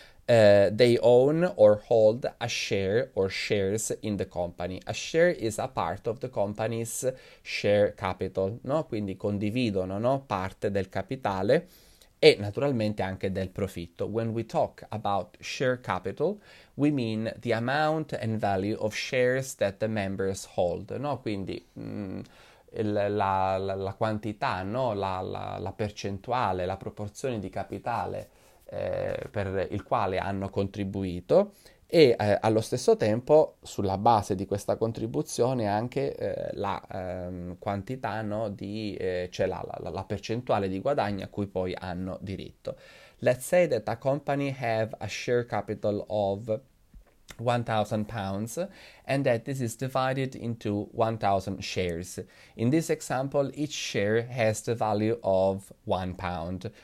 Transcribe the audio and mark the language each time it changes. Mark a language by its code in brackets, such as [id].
[en] They own or hold a share or shares in the company. A share is a part of the company's share capital, no? [it] Quindi condividono, no, parte del capitale e naturalmente anche del profitto. [en] When we talk about share capital, we mean the amount and value of shares that the members hold, no? [it] Quindi la quantità, no? La percentuale, la proporzione di capitale per il quale hanno contribuito, e allo stesso tempo, sulla base di questa contribuzione, anche la quantità, no, di cioè la percentuale di guadagno a cui poi hanno diritto. [en] Let's say that a company have a share capital of £1,000 and that this is divided into 1,000 shares. In this example, each share has the value of £1.